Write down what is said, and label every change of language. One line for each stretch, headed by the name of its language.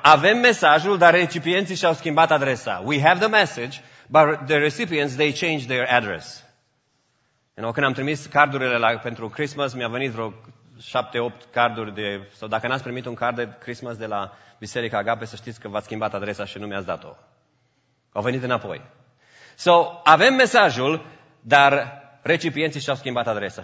Romanian: Avem mesajul, dar recipienții și-au schimbat adresa.
English: We have the message, but the recipients, they change their address.
Romanian: Când am trimis cardurile pentru Christmas, mi-a venit vreo 7-8 carduri sau dacă n-ați primit un card de Christmas de la Biserica Agape, să știți că v-ați schimbat adresa și nu mi-ați dat-o. Au venit înapoi. So, avem mesajul, dar recipienții și-au schimbat adresa.